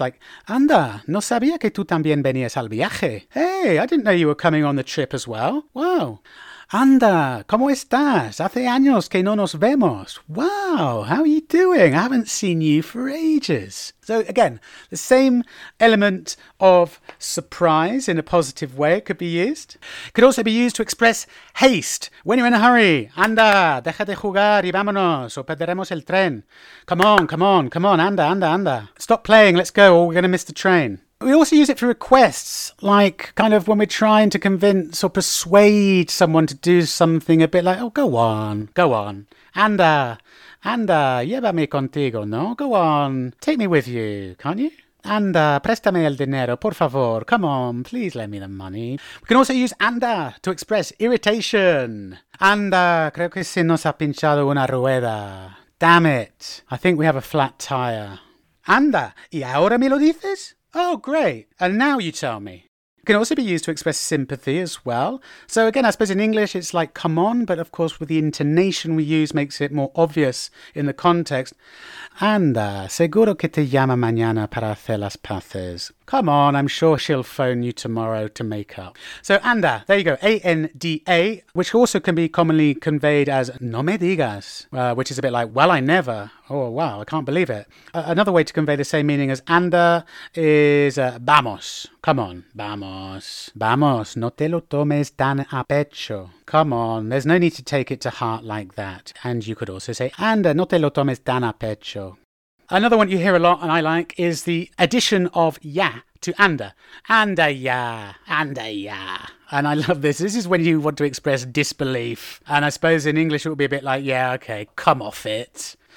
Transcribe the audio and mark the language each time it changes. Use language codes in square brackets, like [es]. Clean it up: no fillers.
[es] Like, anda, no sabía que tú también venías al viaje. [en] Hey, I didn't know you were coming on the trip as well. [es] Wow. Anda, ¿cómo estás? Hace años que no nos vemos. [en] Wow, how are you doing? I haven't seen you for ages. So again, the same element of surprise in a positive way could be used. Could also be used to express haste. When you're in a hurry, anda, [es] deja de jugar y vámonos o perderemos el tren. [en] Come on, come on, come on, anda, anda, anda. Stop playing, let's go or we're going to miss the train. We also use it for requests, like kind of when we're trying to convince or persuade someone to do something, a bit like, oh, go on, go on. [es] Anda, anda, llévame contigo, no? [en] Go on, take me with you, can't you? [es] Anda, préstame el dinero, por favor. [en] Come on, please lend me the money. We can also use anda to express irritation. [es] Anda, creo que se nos ha pinchado una rueda. [en] Damn it, I think we have a flat tire. [es] Anda, ¿y ahora me lo dices? [en] Oh, great. And now you tell me. It can also be used to express sympathy as well. So again, I suppose in English it's like, come on. But of course, with the intonation we use makes it more obvious in the context. [es] Anda, seguro que te llama mañana para hacer las paces. [en] Come on, I'm sure she'll phone you tomorrow to make up. So anda, there you go, A-N-D-A, which also can be commonly conveyed as [es] no me digas, [en] which is a bit like, well, I never. Oh, wow, I can't believe it. Another way to convey the same meaning as anda is vamos. Come on, vamos. [es] Vamos, no te lo tomes tan a pecho. [en] Come on, there's no need to take it to heart like that. And you could also say, [es] anda, no te lo tomes tan a pecho. [en] Another one you hear a lot and I like is the addition of ya to anda. Anda ya, anda ya. And I love this. This is when you want to express disbelief. And I suppose in English it would be a bit like, yeah, okay, come off it.